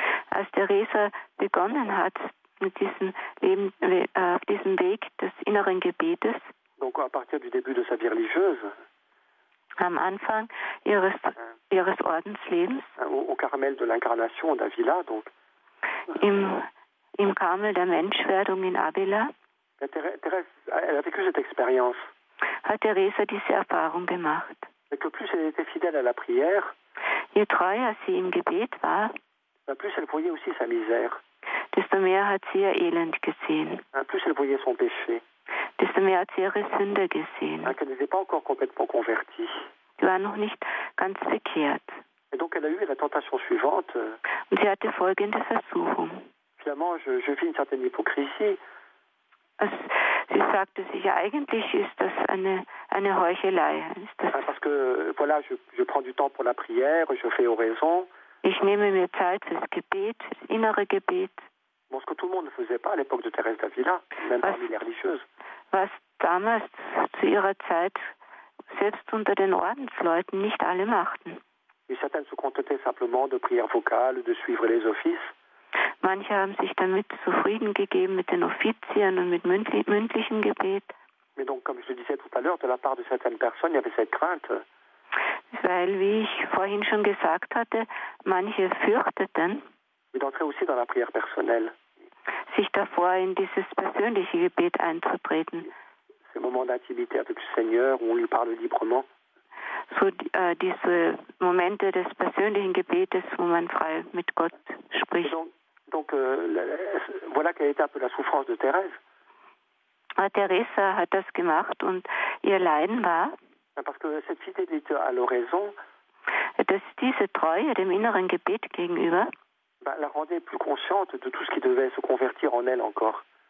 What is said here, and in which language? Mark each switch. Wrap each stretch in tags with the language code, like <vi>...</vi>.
<de>als Thérèse begonnen hat mit diesem Leben, auf diesem Weg des inneren Gebetes,</de> <fr>donc à partir du début de sa vie religieuse,</fr> <de>am Anfang ihres Ordenslebens,</de> <fr>au Carmel de l'Incarnation d'Avila, donc,</fr> <de>im Carmel der Menschwerdung in Avila,</de> <fr>elle a vécu cette expérience.</fr> <de>Hat Thérèse diese Erfahrung gemacht.</de> <fr>Et que plus elle était fidèle à la prière,</fr> <de>je treuer sie im Gebet war,</de> <fr>plus elle voyait aussi sa misère,</fr> <de>desto mehr hat sie ihr Elend gesehen,</de> <fr>plus elle voyait son péché,</fr> <de>desto mehr hat sie ihre Sünde gesehen,</de> <fr>qu'elle n'était pas encore complètement convertie,</fr> <de>sie war noch nicht ganz bekehrt.</de> <fr>Et donc elle a eu la tentation suivante,</fr> <de>und sie hatte folgende Versuchung.</de> <fr>Finalement, je vis une certaine hypocrisie.</fr> <de>Sie sagte sich, eigentlich ist das eine Heuchelei. Ist das,</de> <fr>parce que voilà, je prends du temps pour la prière, je fais oraison.</fr> <de>Ich nehme mir Zeit fürs Gebet, fürs innere Gebet.</de> <fr>Bon, ce que tout le monde ne faisait pas à l'époque de Thérèse d'Avila, même parmi les religieuses.</fr> <de>Was damals zu ihrer Zeit selbst unter den Ordensleuten nicht alle machten.</de> <fr>Et certaines se contentaient simplement de prières vocales, de suivre les offices.</fr> <de>Manche haben sich damit zufrieden gegeben mit den Offizien und mit mündlichem Gebet.</de> <fr>Mais donc, comme je le disais tout à l'heure, de la part de certaines personnes, il y avait cette crainte.</fr> <de>Weil, wie ich vorhin schon gesagt hatte, manche fürchteten,</de> <fr>d'entrer aussi dans la prière personnelle,</fr> <de>sich davor in dieses persönliche Gebet einzutreten.</de> <fr>Ces moments d'intimité avec le Seigneur, où on lui parle librement.</fr> <de>So diese Momente des persönlichen Gebetes, wo man frei mit Gott spricht.</de> <fr>Donc voilà quelle était un peu la souffrance de Thérèse.</fr> <de>Thérèse hat das gemacht und ihr Leiden war,</de> <fr>parce que cette fidélité à l'oraison,</fr> <de>dass diese Treue dem inneren Gebet gegenüber,</de> <fr>la rendait plus consciente de tout ce qui devait se convertir en elle encore.</fr>